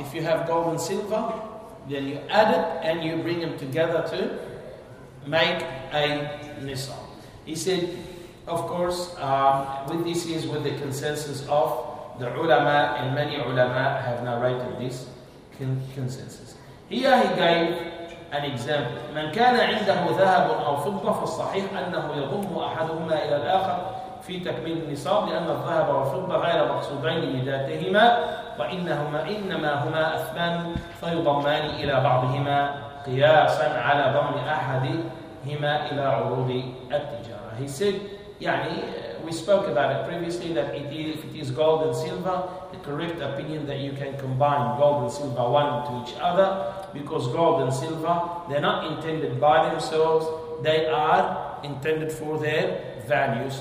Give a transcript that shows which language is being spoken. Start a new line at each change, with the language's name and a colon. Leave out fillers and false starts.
English: If you have gold and silver, then you add it and you bring them together to make a nisab. He said, of course, with this is with the consensus of the ulama, and many ulama have narrated this consensus. Here he gave an example.
Arabic: من كان عنده ذهب أو فضة فالصحيح أنه يضم أحدهما إلى الآخر في تكميل النصاب لأن الذهب والفضة غير مقصودين لذاتهما وإنهما إنما هما أثمان فيضمان إلى بعضهما قياسا على ضم أحدهما إلى عروض التجارة.
English: He said, يعني we spoke about it previously that if it is gold and silver, the correct opinion that you can combine gold and silver one to each other, because gold and silver, they're not intended by themselves, they are intended for their value.